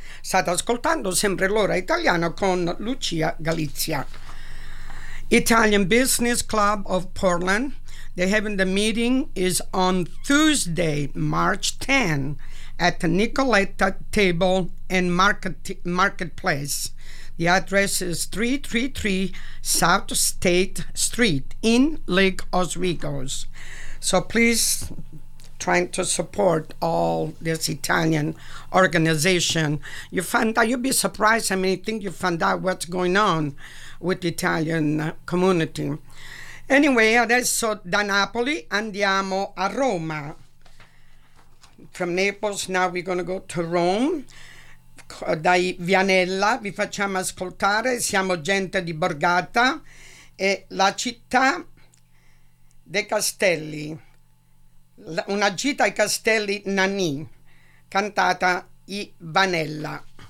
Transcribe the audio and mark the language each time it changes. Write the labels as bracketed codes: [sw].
[it] State ascoltando sempre L'Ora Italiana con Lucia Galizia. [en] Italian Business Club of Portland, they're having the meeting is on Tuesday, March 10, at the Nicoletta Table and Marketplace. The address is 333 South State Street in Lake Oswego. So please try to support all this Italian organization. You find out, you'd be surprised how many things you find out what's going on with the Italian community. [it] Anyway, adesso da Napoli andiamo a Roma. [en] From Naples, now we're going to go to Rome. [it] Dai Vianella vi facciamo ascoltare, siamo gente di Borgata e la città dei castelli, una gita ai castelli Nanni, cantata i Vianella.